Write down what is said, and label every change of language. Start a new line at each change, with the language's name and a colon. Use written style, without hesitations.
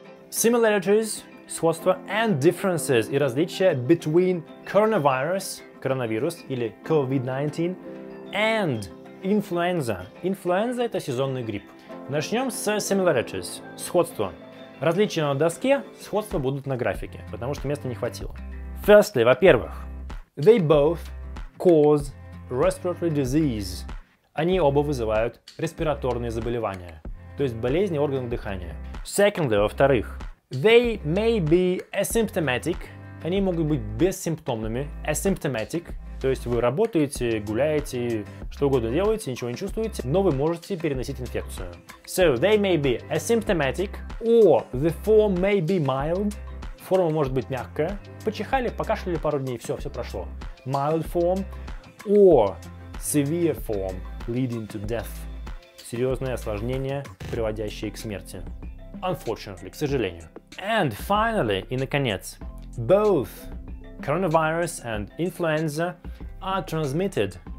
English: Similarities,
Russian: сходства
English: and differences
Russian: и различия
English: between coronavirus,
Russian: коронавирус или
English: COVID-19, and influenza.
Russian: Influenza – это сезонный грипп. Начнем с
English: similarities,
Russian: сходства. Различия на доске, сходства будут на графике, потому что места не хватило.
English: Firstly,
Russian: во-первых,
English: they both cause respiratory disease.
Russian: Они оба вызывают респираторные заболевания, то есть болезни органов дыхания.
English: Secondly,
Russian: во-вторых,
English: they may be asymptomatic.
Russian: Они могут быть бессимптомными,
English: asymptomatic.
Russian: То есть вы работаете, гуляете, что угодно делаете, ничего не чувствуете, но вы можете переносить инфекцию.
English: So, they may be asymptomatic, or the form may be mild.
Russian: Форма может быть мягкая. Почихали, покашляли пару дней, все, все прошло.
English: Mild form, or severe form, leading to death.
Russian: Серьезное осложнение, приводящее к смерти.
English: Unfortunately,
Russian: к сожалению.
English: And finally,
Russian: и наконец,
English: both coronavirus and influenza are transmitted.